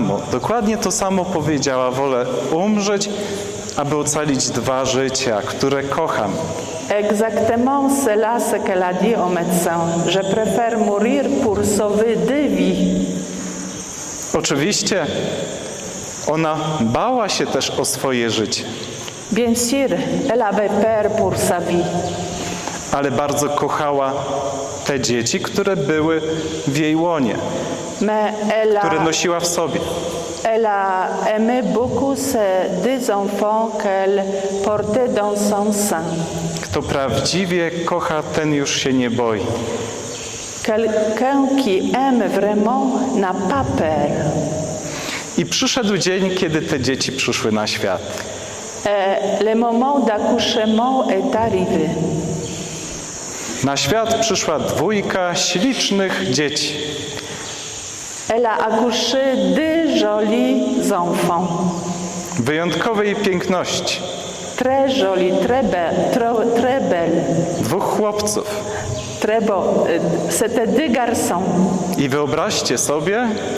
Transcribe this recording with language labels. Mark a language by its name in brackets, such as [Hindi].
[Polish] Dokładnie to samo powiedziała. Wolę umrzeć, aby ocalić dwa życia, które kocham. [French] Exactement, c'est là ce qu'elle a dit au médecin. Je préfère mourir pour sauver des vies. [Polish] Oczywiście, ona bała się też o swoje życie. [French] Bien sûr, elle avait peur pour sa vie. [Polish] Ale bardzo kochała te dzieci, które były w jej łonie, które nosiła w sobie. [French] Elle a aimé beaucoup ces deux enfants qu'elle portait dans son sein. [Polish] Kto prawdziwie kocha, ten już się nie boi. [French] Quelqu'un qui aime vraiment n'a pas peur. [Polish] I przyszedł dzień, kiedy te dzieci przyszły na świat. [French] Le moment d'accouchement est arrivé. [Polish] Na świat przyszła dwójka ślicznych dzieci. [French] Elle a accouché deux jolis enfants. [Polish] Wyjątkowej piękności. [French] Très joli, très belle. [Polish] Dwóch chłopców. [French] Très beau. C'était deux garçons. [Polish] I wyobraźcie sobie.